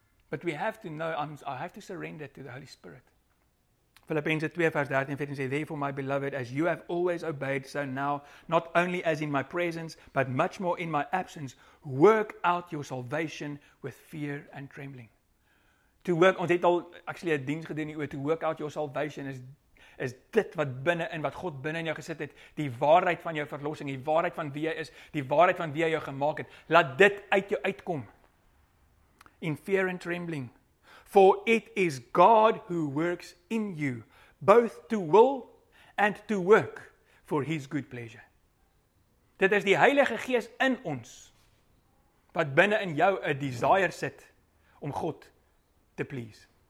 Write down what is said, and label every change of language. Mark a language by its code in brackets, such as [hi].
[en] But we have to know, I have to surrender to the Holy Spirit. Philippians 2 verse 13 and 14 says, Therefore, my beloved, as you have always obeyed, so now, not only as in my presence, but much more in my absence, work out your salvation with fear and trembling. To work, [af] ons het al actually 'n diens gedoen hier, [en] to work out your salvation [af] is dit wat binne in, wat God binne in jou gesit het, die waarheid van jou verlossing, die waarheid van wie jy is, die waarheid van wie jy jou gemaak het. Laat dit uit jou uitkom. [en] In fear and trembling. For it is God who works in you, both to will and to work for His good pleasure. [af] Dit is die Heilige Gees in ons, wat binne in jou 'n desire sit om God te please.